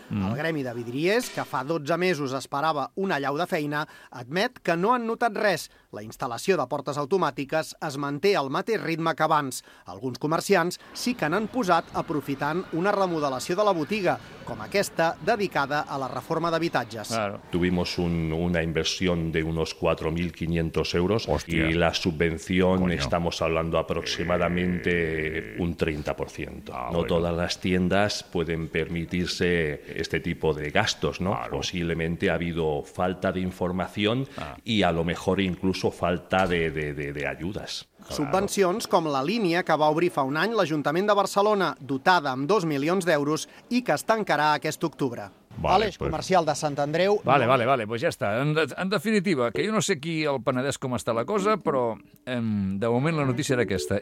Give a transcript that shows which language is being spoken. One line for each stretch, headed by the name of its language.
Catalan: El gremi de vidriers, que fa 12 mesos esperava una allau de feina, admet que no han notat res. La instal·lació de portes automàtiques es manté al mateix ritme que abans. Alguns comerciants sí que n'han posat aprofitant una remodelació de la botiga, com aquesta dedicada a la reforma d'habitatges.
Spanish: Claro. Tuvimos una inversión de unos 4.500 euros y la subvención estamos hablando aproximadamente un 30%. Todas las tiendas pueden permitirse este tipo de gastos, ¿no? Claro. Posiblemente ha habido falta de información y a lo mejor incluso falta de ayudas.
Catalan: Subvencions com la línia que va obrir fa un any l'Ajuntament de Barcelona, dotada amb 2 milions d'euros i que es tancarà aquest octubre.
Spanish: Vale, pues... Comercial de Sant Andreu... Vale, pues
Catalan: ja està. En definitiva, que jo no sé aquí al Penedès com està la cosa, però de moment la notícia era aquesta.